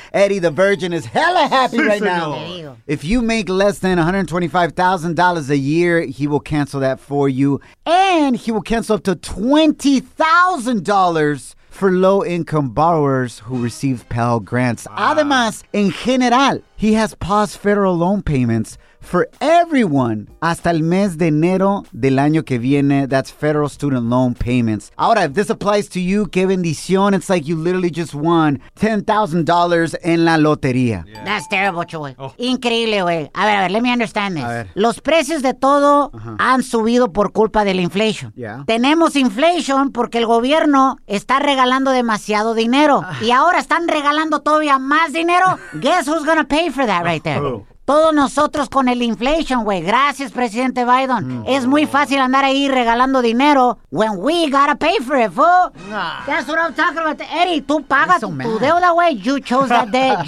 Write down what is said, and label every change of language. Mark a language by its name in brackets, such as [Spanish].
[English] Eddie the Virgin is hella happy right now. If you make less than $125,000 a year, he will cancel that for you. And he will cancel up to $20,000 for low-income borrowers who receive Pell Grants. Wow. [Spanish] Además, en general, [English] he has paused federal loan payments for everyone [Spanish] hasta el mes de enero del año que viene. [English] That's federal student loan payments. Ahora, if this applies to you, [Spanish] qué bendición. [English] It's like you literally just won $10,000 [Spanish] en la lotería. [English] Yeah. That's terrible, Choy. Oh. [Spanish] Increíble, güey. [English] A ver, let me understand this. [Spanish] Los precios de todo han subido por culpa de la inflation. [English] Yeah. [Spanish] Tenemos inflation porque el gobierno está regalando demasiado dinero. Y ahora están regalando todavía más dinero. [English] Guess who's gonna pay for that right there? [Spanish] Oh. Todos nosotros con el inflation, güey. Gracias, presidente Biden. No. Es muy fácil andar ahí regalando dinero [English] when we gotta pay for it, fool. No. That's what I'm talking about. [Spanish] Eddie, tú pagas tu deuda, güey. [English] You chose that debt.